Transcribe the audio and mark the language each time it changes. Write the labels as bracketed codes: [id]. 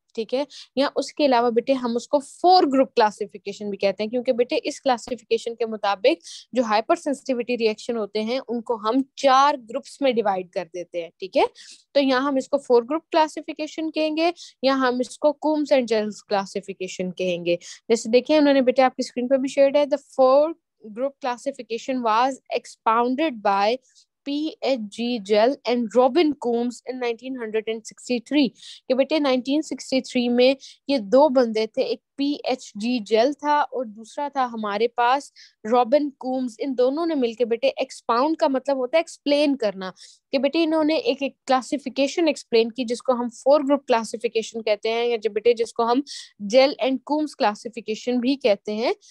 [ur] ٹھیک ہے, یا اس کے علاوہ بیٹے ہم اس کو فور گروپ کلاسیفیکیشن بھی کہتے ہیں, کیونکہ بیٹے اس کلاسیفیکیشن کے مطابق جو ہائپر سینسٹیویٹی ریئیکشن ہوتے ہیں ان کو ہم چار گروپس میں ڈیوائڈ کر دیتے ہیں, ٹھیک ہے. تو یہاں ہم اس کو فور گروپ کلاسیفیکیشن کہیں گے, یا ہم اس کو کومز اینڈ جیلز کلاسیفیکیشن کہیں گے. جیسے دیکھیں انہوں نے بیٹے آپ کی اسکرین پہ بھی شیئرڈ ہے, [en] The four group classification was expounded by P.H.G. Gell and Robin Coombs in 1963. [ur] کہ بیٹے 1963 میں یہ دو بندے تھے, ایک P.H.G. Gell تھا اور دوسرا تھا ہمارے پاس Robin Coombs. ان دونوں نے مل کے بیٹے ایکسپاؤنڈ کا مطلب ہوتا ہے ایکسپلین کرنا, کہ بیٹے انہوں نے ایک ایک کلاسیفیکیشن ایکسپلین کی جس کو ہم فور گروپ کلاسیفیکیشن کہتے ہیں, یا جو بیٹے جس کو ہم جیل اینڈ کومز کلاسیفیکیشن بھی کہتے ہیں.